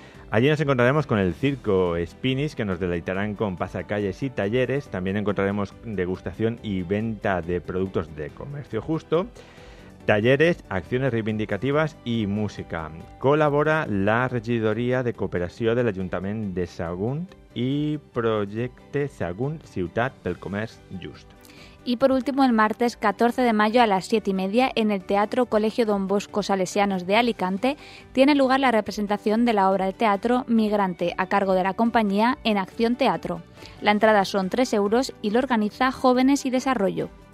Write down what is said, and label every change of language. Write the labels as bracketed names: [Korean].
[Spanish] Allí nos encontraremos con el circo Spinis, que nos deleitarán con pasacalles y talleres. También encontraremos degustación y venta de productos de comercio justo, talleres, acciones reivindicativas y música. [Catalan] Colabora la Regidoria de Cooperació de l'Ajuntament de Sagunt i Projecte Sagunt Ciutat del Comerç Just. [Spanish] Y por último, el martes 14 de mayo a las 7:30, en el Teatro Colegio Don Bosco Salesianos de Alicante, tiene lugar la representación de la obra de teatro Migrante, a cargo de la compañía En Acción Teatro. La entrada son 3 euros y lo organiza Jóvenes y Desarrollo.